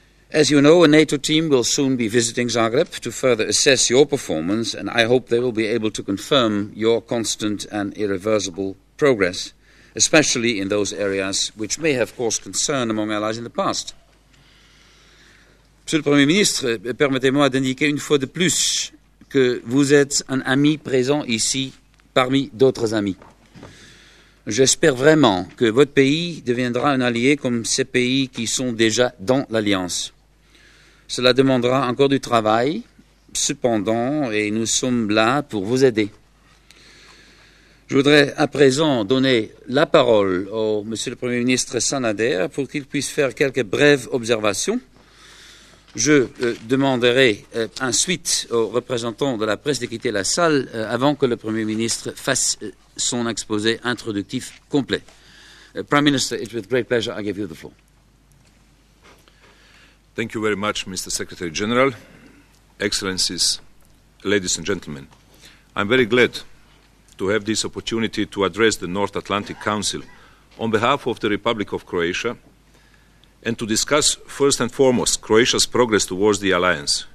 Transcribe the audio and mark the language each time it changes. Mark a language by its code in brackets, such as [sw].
[en] As you know, a NATO team will soon be visiting Zagreb to further assess your performance, and I hope they will be able to confirm your constant and irreversible progress, especially in those areas which may have caused concern among allies in the past. [fr] Monsieur le Premier ministre, permettez-moi d'indiquer une fois de plus que vous êtes un ami présent ici parmi d'autres amis. J'espère vraiment que votre pays deviendra un allié comme ces pays qui sont déjà dans l'Alliance. Cela demandera encore du travail, cependant, et nous sommes là pour vous aider. Je voudrais à présent donner la parole au Monsieur le Premier ministre Sanader pour qu'il puisse faire quelques brèves observations. Je demanderai ensuite aux représentants de la presse d'équiter la salle avant que le Premier ministre fasse son exposé introductif complet. [en] Prime Minister, it's with great pleasure I give you the floor. Thank you very much, Mr. Secretary General, Excellencies, ladies and gentlemen. I'm very glad to have this opportunity to address the North Atlantic Council on behalf of the Republic of Croatia and to discuss first and foremost Croatia's progress towards the alliance.